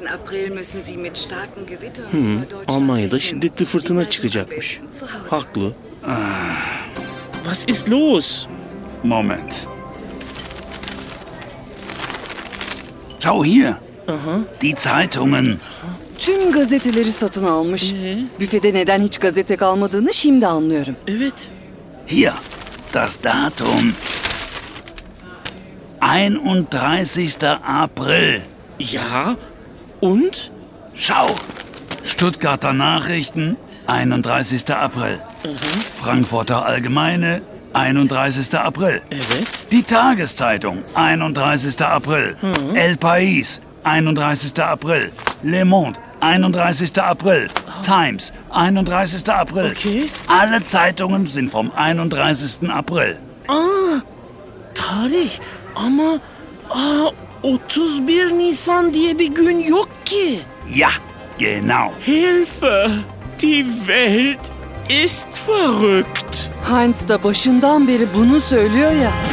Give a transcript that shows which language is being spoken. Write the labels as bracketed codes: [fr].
[de] April müssen Sie mit starken Gewittern über Deutschland. [tr] Almanya'da şiddetli fırtına çıkacakmış. Haklı. [de] Was ist los? Moment. Schau hier. Die Zeitungen. [tr] Tüm gazeteleri satın almış. Büfede neden hiç gazete kalmadığını şimdi anlıyorum. Evet. [de] Hier. Das Datum. 31. April. Ja. Und? Schau. Stuttgarter Nachrichten. 31. April. Frankfurter Allgemeine. 31. April. [tr] Evet. [de] Die Tageszeitung. 31. April. El País. 31. April. Le Monde. 31. April. Times. 31. April. [en] Okay. [de] Alle Zeitungen sind vom 31. April. [tr] Ah, tarih. Ama 31 Nisan diye bir gün yok ki. [de] Ja, genau. Hilfe! Die Welt ist verrückt. [tr] Heinz da başından beri bunu söylüyor ya.